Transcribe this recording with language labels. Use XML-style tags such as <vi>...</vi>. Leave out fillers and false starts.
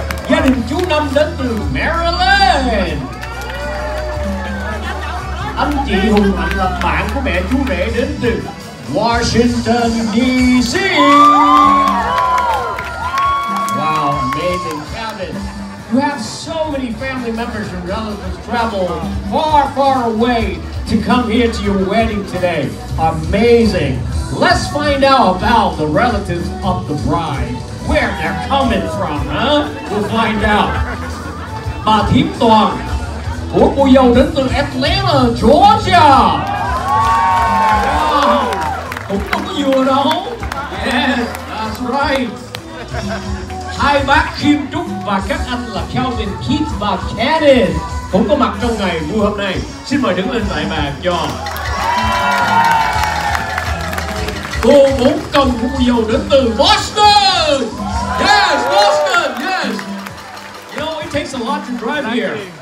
<vi>Gia đình chú Năm đến từ Maryland. Anh chị Hùng Mạnh là bạn của mẹ chú rể đến từ Washington DC.</vi> <en>Wow, amazing. You have so many family members and relatives travel far, far away to come here to your wedding today. Amazing. Let's find out about the relatives of the bride. Where they're coming from, huh? We'll find out.</en> <vi>Bà Thím Toàn của cô dâu đến từ Atlanta, Georgia. Cũng có cái vừa đó.</vi> <en>Yes, that's right.</en> <vi>Hai bác Kim Trúc và các anh là Calvin, Keith và Kevin cũng có mặt trong ngày vui hôm nay. Xin mời đứng lên tại bàn cho. Cô bốn công của cô dâu đến từ Boston.</vi> <en>Yes, Boston, yes. You know, it takes a lot to drive here.</en>